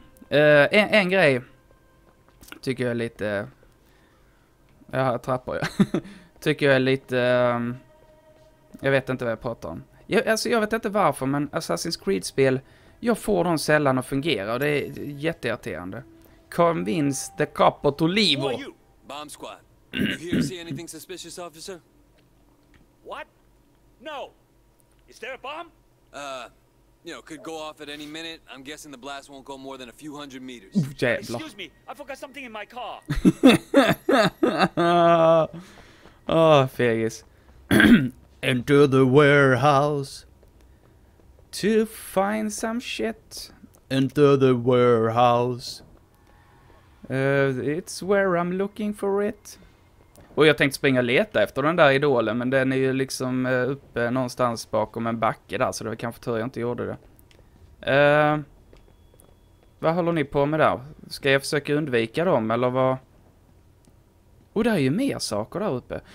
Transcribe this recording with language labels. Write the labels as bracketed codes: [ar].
[sv] En grej. Tycker jag är lite... Ja, här trappar jag. Tycker jag är lite... Jag vet inte vad jag pratar om. Jag vet inte varför, men Assassin's Creed-spel... Jag får dem sällan att fungera och det är jätteirriterande. [en] Convince the capo to leave. Bomb squad. Have you seen anything suspicious, officer? What? No. Is there a bomb? Could go off at any minute. I'm guessing the blast won't go more than a few hundred meters. Excuse me. I forgot something in my car. [sv] Oh, fegis. [en] Enter the warehouse. To find some shit. Enter the warehouse. It's where I'm looking for it. [sv] Och jag tänkte springa och leta efter den där idolen. Men den är ju liksom uppe någonstans bakom en backe där. Så det var kanske tur jag inte gjorde det. Vad håller ni på med där? Ska jag försöka undvika dem eller vad? Och det är ju mer saker där uppe.